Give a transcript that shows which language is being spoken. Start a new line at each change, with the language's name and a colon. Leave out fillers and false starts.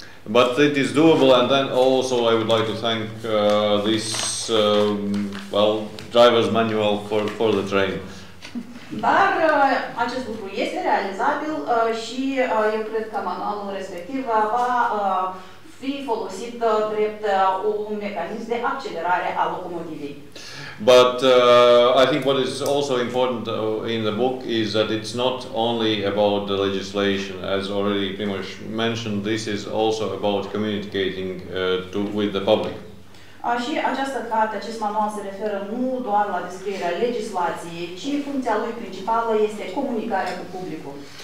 English: But it is doable, and then also I would like to thank this well driver's manual for the train.
Romanian: Dar acest lucru este realizabil și eu cred că manualul respectiv va fi folosit drept un mecanism de accelerare a locomotivei.
English: But I think what is also important in the book is that it's not only about the legislation, as already Primoš mentioned, this is also about communicating with the public.
Romanian: Și această carte, acest manual se referă nu doar la descrierea legislației, ci funcția lui principală este comunicarea cu publicul.